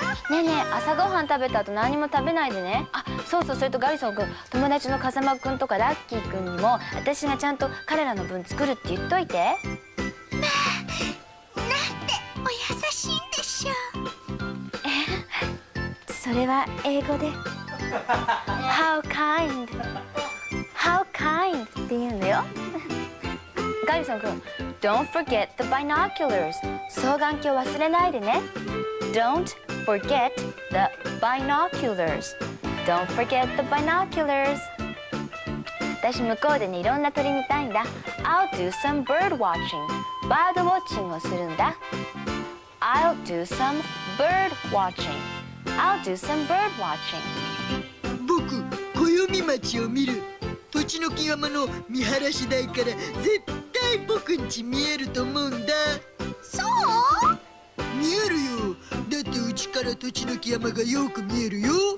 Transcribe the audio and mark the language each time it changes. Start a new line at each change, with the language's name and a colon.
Japanese: ねえねえ、朝ごはん食べた後何も食べないでね。あ、そうそう、それとガリソン君、友達の風間君とかラッキー君にも私がちゃんと彼らの分作るって言っといて。まあ、なんてお優しいんでしょう。それは英語で
English: How kind How kind
Japanese: って言うのよ。
English: ガリソン君、 Don't forget the binoculars。
Japanese: 双眼鏡忘れないでね。
English: Don't forget the binoculars。 Don't forget the binoculars.
Japanese: 私向こうでね、いろんな鳥見たいんだ。
English: I'll do some bird watching.
Japanese: バードウォッチングをするんだ。
English: I'll do some bird watching. I'll do some bird watching.
Japanese: 僕、小読み町を見る。土地の木山の見晴らし台から絶対僕ん家見えると思うんだ。そう？見えるよ。だってうちから土地の木山がよく見えるよ。